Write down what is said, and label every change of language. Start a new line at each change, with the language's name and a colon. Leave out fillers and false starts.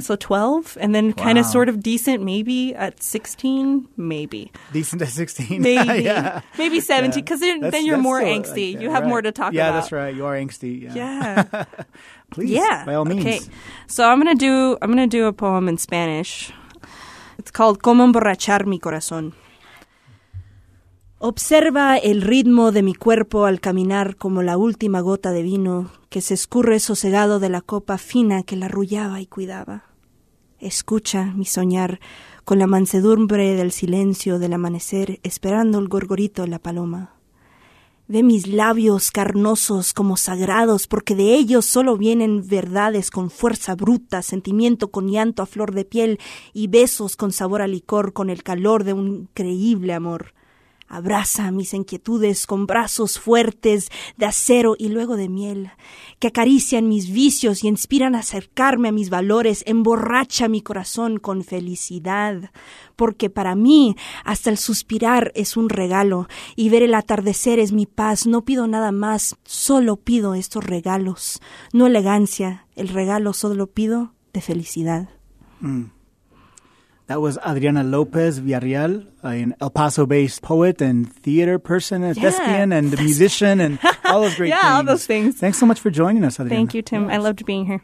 English: So 12 and then kind of sort of decent maybe at 16, maybe. Decent at 16? Maybe. Maybe 17 because then you're more angsty. Like, you have more to talk about. Yeah, that's right. You are angsty. Yeah. Please, by all means. Okay. So I'm gonna do a poem in Spanish. It's called Cómo Emborrachar Mi Corazón.
Spanish: Observa el ritmo de mi cuerpo al caminar como la última gota de vino que se escurre sosegado de la copa fina que la arrullaba y cuidaba. Escucha mi soñar con la mansedumbre del silencio del amanecer esperando el gorgorito de la paloma. Ve mis labios carnosos como sagrados porque de ellos solo vienen verdades con fuerza bruta, sentimiento con llanto a flor de piel y besos con sabor a licor con el calor de un increíble amor. Abraza mis inquietudes con brazos fuertes de acero y luego de miel, que acarician mis vicios y inspiran a acercarme a mis valores. Emborracha mi corazón con felicidad, porque para mí hasta el suspirar es un regalo y ver el atardecer es mi paz. No pido nada más, solo pido estos regalos. No elegancia, el regalo solo pido de felicidad. Mm.
English: That was Adriana López Villarreal, an El Paso-based poet and theater person, a thespian and a musician and all those great things. Yeah, all those things. Thanks so much for joining us, Adriana. Thank you, Tim. Yes. I loved being here.